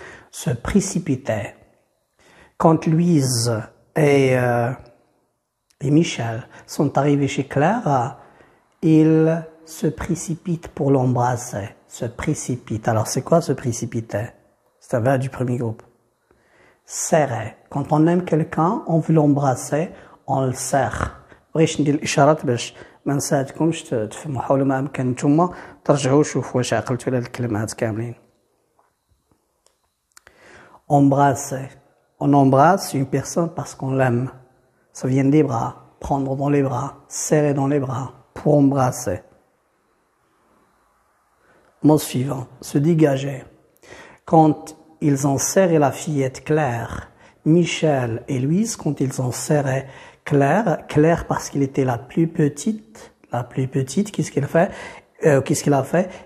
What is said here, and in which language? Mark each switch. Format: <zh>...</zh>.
<fr>se précipitaient. Quand Louise et Michel sont arrivés chez Clara, ils se précipitent pour l'embrasser. Se précipitent. Alors, c'est quoi se précipiter? C'est un verbe du premier groupe. Serrer. Quand on aime quelqu'un, on veut l'embrasser, on le serre.</fr> <ar>بغيتش ندير الاشارات باش ما نساعدكمش تفهموا حول ما امكن نتوما ترجعوا شوفوا واش عقلتوا على الكلمات كاملين.</ar> <fr>Embrasser. On embrasse une personne parce qu'on l'aime. Ça vient des bras. Prendre dans les bras. Serrer dans les bras. Pour embrasser. Mot suivant. Se dégager. Quand ils ont serré la fillette Claire, Michel et Louise, quand ils ont serré Claire parce qu'il était la plus petite, qu'est-ce qu'il a fait?</fr>